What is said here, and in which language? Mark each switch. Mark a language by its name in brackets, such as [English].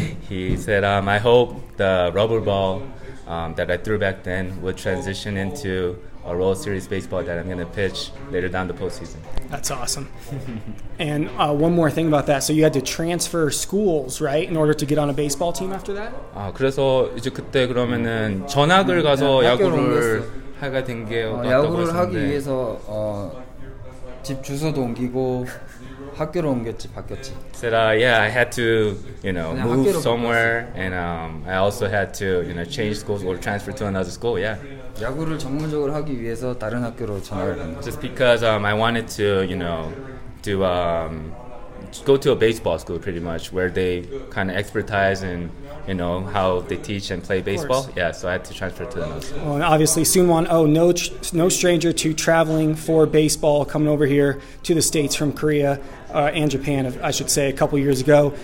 [English] He said, I hope the rubber ball that I threw back then would transition into a World Series baseball that I'm going to pitch later down the postseason. That's awesome. And one more thing about that. So you had to transfer schools, right, in order to get on a baseball team after that? [Korean] 아, 그래서 이제 그때 그러면은 전학을 가서 야구를 하게 된 게 야구를 하기 위해서 집 주소도 옮기고 학교로 옮겼지, 바뀌었지. [English] Said, I had to, you know, move somewhere, [Korean] 바꿨어. [English] And I also had to, you know, change schools or transfer to another school. Yeah. [Korean] 야구를 전문적으로 하기 위해서 다른 학교로 전학을 간 거. [English] Just because I wanted to, you know, to go to a baseball school, pretty much, where they kind of expertise in, you know, how they teach and play baseball. Yeah, so I had to transfer to another school. Well, and obviously, Soonwon Oh, no stranger to traveling for baseball, coming over here to the States from Korea and Japan, I should say, a couple years ago.